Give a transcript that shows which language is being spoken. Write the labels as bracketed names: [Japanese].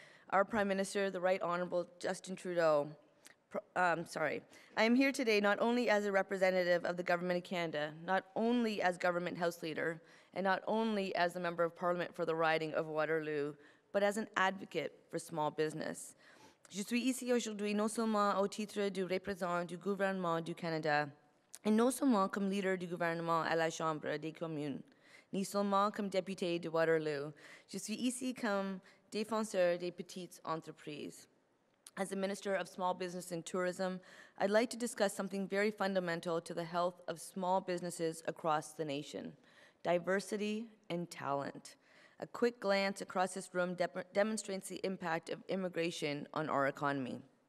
[English] Our Prime Minister, the Right Honourable Justin Trudeau, I am here today not only as a representative of the Government of Canada, not only as Government House Leader, and not only as a Member of Parliament for the riding of Waterloo, but as an advocate for small business. [French] Je suis ici aujourd'hui non seulement au titre du représentant du gouvernement du Canada, et non seulement comme leader du gouvernement à la Chambre des communes, ni seulement comme député de Waterloo. Je suis ici comme défenseur des petites entreprises. [English] As a Minister of Small Business and Tourism, I'd like to discuss something very fundamental to the health of small businesses across the nation: diversity and talent. A quick glance across this room demonstrates the impact of immigration on our economy.